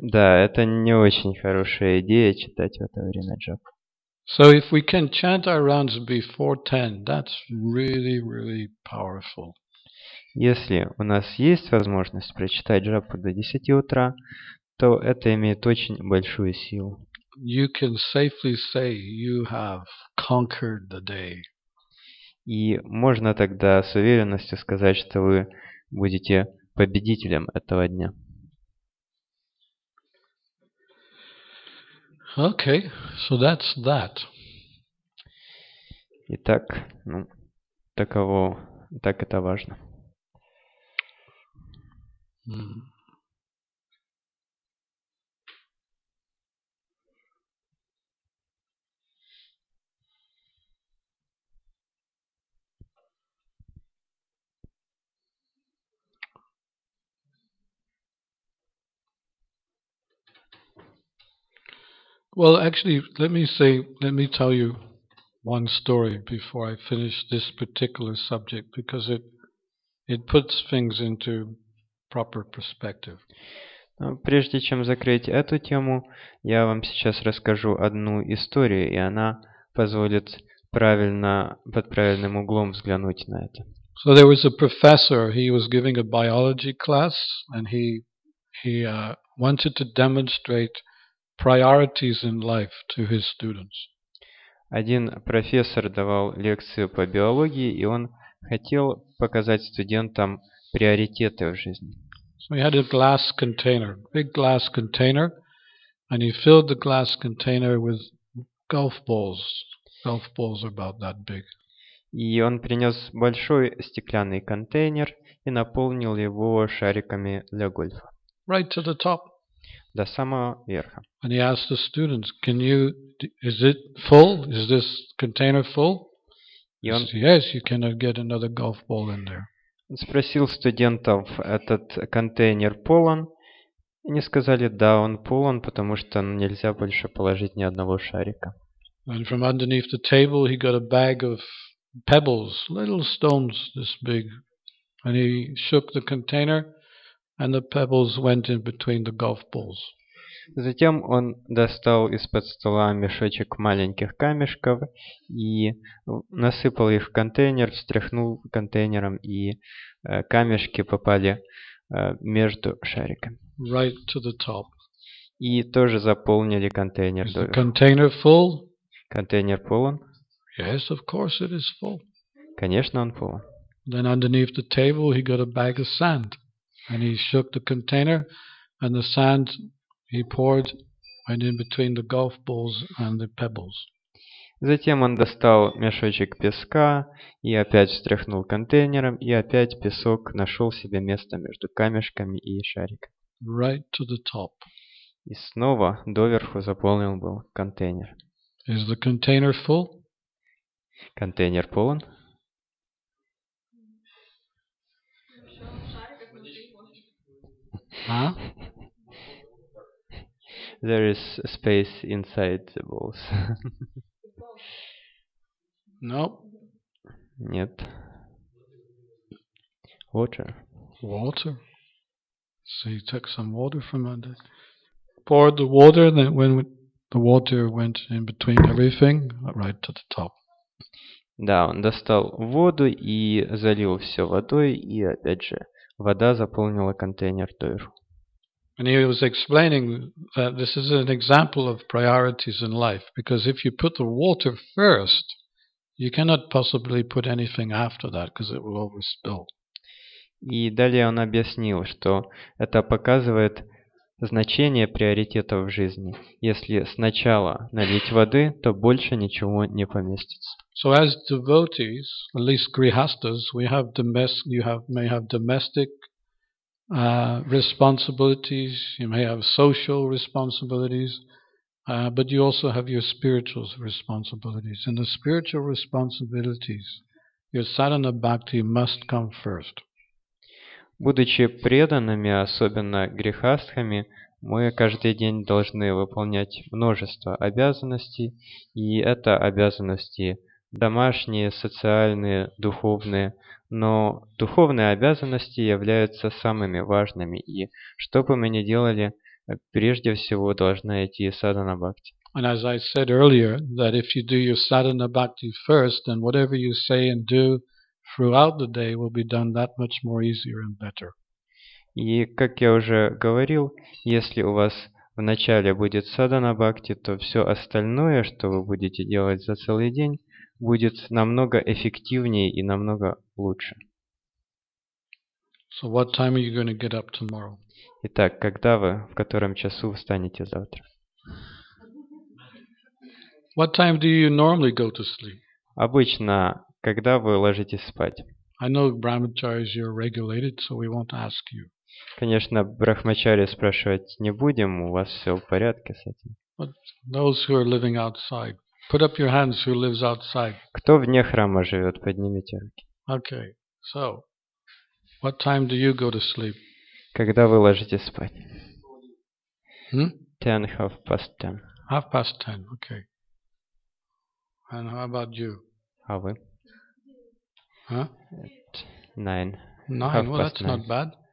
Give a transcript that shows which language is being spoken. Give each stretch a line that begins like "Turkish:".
Russian: Да, это не очень хорошая идея читать в это время джапу.
English: So if we can chant our rounds before 10, that's really, really powerful.
Russian: Если у нас есть возможность прочитать джапу до 10 утра, то это имеет очень большую силу.
English: You can safely say you have conquered the day.
Russian: И можно тогда с уверенностью сказать, что вы будете победителем этого дня.
English: Okay, so that's that.
Russian: Итак, ну, таково, так это важно.
English: Well, actually, let me tell you one story before I finish this particular subject, because it puts things into proper perspective.
Russian: Ну, прежде чем закрыть эту тему, я вам сейчас расскажу одну историю, и она позволит правильно под правильным углом взглянуть на это.
English: So there was a professor, he was giving a biology class, and he wanted to demonstrate priorities in life to his students.
Russian: Один профессор давал лекцию по биологии, и он хотел показать студентам приоритеты в жизни.
English: So he had a glass container, big glass container, and he filled the glass container with golf balls. Golf balls are about that big.
Russian: И он принес большой стеклянный контейнер и наполнил его шариками для гольфа.
English: Right to the top.
Russian: До самого верха.
English: And he asked the students, "Can you? Is it full? Is this container full?"
Russian: Он,
English: he said, "Yes, you cannot get another golf ball in there."
Russian: Он спросил студентов, этот контейнер полон? Они сказали, да, он полон, потому что нельзя больше положить ни одного шарика.
English: And from underneath the table, he got a bag of pebbles, little stones this big, and he shook the container. And the pebbles went in between the golf balls.
Russian: Затем он достал из-под стола мешочек маленьких камешков и насыпал их в контейнер, встряхнул контейнером, и камешки попали между шариками.
English: Right to the top.
Russian: И тоже заполнили контейнер.
English: Is the container full?
Russian: Контейнер полон?
English: Yes, of course it is full.
Russian: Конечно, он полон.
English: Then underneath the table he got a bag of sand. And he shook the container, and the sand he poured went in between the golf balls and the pebbles.
Russian: Затем он достал мешочек песка и опять встряхнул контейнером, и опять песок нашел себе место между камешками и шариком.
English: Right to the top.
Russian: И снова доверху заполнил был контейнер.
English: Is the container full?
Russian: Контейнер полон. Huh?
English: There is space inside the balls. Nope.
Russian: Нет.
English: Water. Water. So you took some water from under. Poured the water, and then when the water went in between everything, right to the top.
Russian: Да, он достал воду и залил все водой, и опять же, вода заполнила контейнер доверху.
English: And he was explaining that this is an example of priorities in life, because if you put the water first, you cannot possibly put anything after that, because it will overspill.
Russian: И далее он объяснил, что это показывает значение приоритетов в жизни. Если сначала налить воды, то больше ничего не поместится.
English: So as devotees, at least grihasthas, we have domestic responsibilities, you may have social responsibilities, but you also have your spiritual responsibilities. And the spiritual responsibilities, your sadhana bhakti must come first.
Russian: Будучи преданными, особенно грехастхами, мы каждый день должны выполнять множество обязанностей, и это обязанности домашние, социальные, духовные. Но духовные обязанности являются самыми важными, и что бы мы ни делали, прежде всего должна идти садхана бхакти.
English: And as I said earlier, that if you do your sadhana bhakti first, then whatever you say and do throughout the day will be done that much more easier and better.
Russian: И как я уже говорил, если у вас вначале будет садхана бхакти, то все остальное, что вы будете делать за целый день, будет намного эффективнее и намного лучше.
English: So what time are you going to get up tomorrow?
Russian: Итак, когда вы, в котором часу встанете завтра?
English: What time do you normally go to sleep?
Russian: Обычно, когда вы ложитесь спать?
English: I know brahmacharis are regulated, so we won't ask you.
Russian: Конечно, брахмачари спрашивать не будем, у вас все в порядке с этим.
English: But those who are living outside, put up your hands who lives outside.
Russian: Кто вне храма живет, поднимите руки.
English: Okay. So, what time do you go to sleep?
Russian: Когда вы ложитесь спать? Hmm?
English: Ten, half past ten. Half past ten, okay. And how about you?
Russian: А вы? Huh?
English: At nine. Nine, half well, that's nine. Not bad.